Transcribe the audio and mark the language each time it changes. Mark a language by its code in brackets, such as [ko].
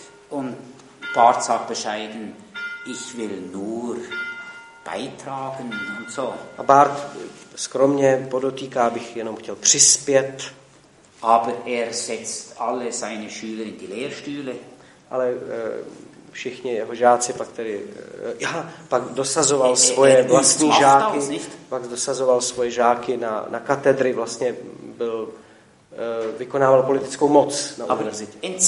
[de] Und Bart sagt bescheiden, ich will nur beitragen und so. [cs] A Bart skromně podotýká, bych jenom chtěl přispět. [de] Aber er setzt alle seine Schüler in die Lehrstühle. [cs] Ale všichni jeho žáci pak tedy pak dosazoval svoje vlastní žáky, pak dosazoval svoje žáky na katedry, vlastně byl vykonával politickou moc na univerzitě.